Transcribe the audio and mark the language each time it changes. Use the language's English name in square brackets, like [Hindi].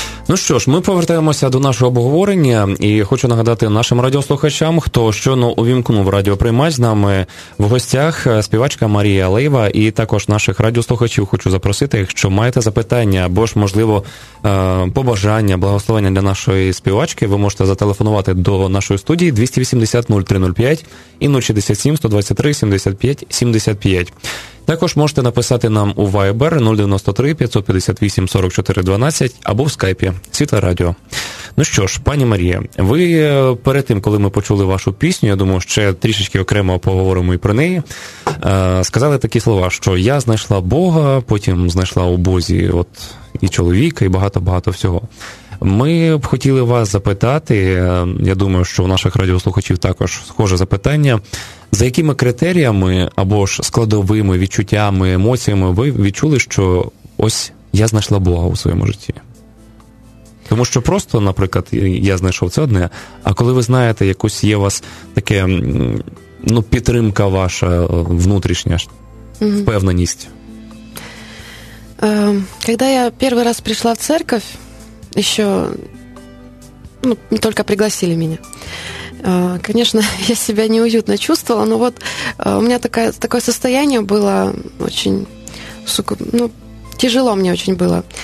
[Ukrainian] Ну що ж, ми повертаємося до нашого обговорення і хочу нагадати нашим радіослухачам, хто щойно увімкнув радіоприймач, з нами в гостях співачка Марія Лейва, і також наших радіослухачів хочу запросити, якщо маєте запитання або ж, можливо, побажання, благословення для нашої співачки, ви можете зателефонувати до нашої студії 280-0305 і 067-123-75-75. Також можете написати нам у Viber 093-558-4412 або в Skype «Світле радіо». Ну що ж, пані Марія, ви перед тим, коли ми почули вашу пісню, я думаю, ще трішечки окремо поговоримо і про неї, сказали такі слова, що я знайшла Бога, потім знайшла у Бозі от і чоловіка, і багато-багато всього. Ми б хотіли вас запитати, я думаю, що у наших радіослухачів також схоже запитання, за якими критеріями або ж складовими відчуттями, емоціями ви відчули, що ось я знайшла Бога у своєму житті? Тому що просто, наприклад, я знайшов це одне, а коли ви знаєте, якось є у вас таке, ну, підтримка ваша внутрішня, впевненість? [Russian] Когда я первый раз пришла в церковь, еще, ну, только пригласили меня. Конечно, я себя неуютно чувствовала, но вот у меня такое состояние было очень, ну, тяжело мне очень было.